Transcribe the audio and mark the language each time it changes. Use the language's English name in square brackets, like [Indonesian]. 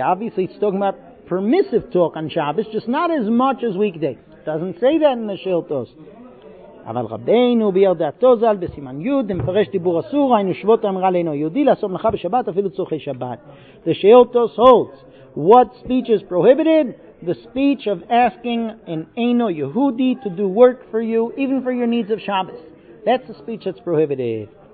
[English] Obviously, it's talking about permissive talk on Shabbos, just not as much as weekday. It doesn't say that in the Shiltos. [Hebrew] אבל רבנו בירדעתו זל בסימן יוד מפרש דיבור אסור, היינו שבות אמרה לנו יהודי לעשות מלאכה בשבת אפילו צורכי שבת. [English] The Sheotos holds, what speech is prohibited? The speech of asking an Eino Yehudi to do work for you, even for your needs of Shabbos. That's the speech that's prohibited.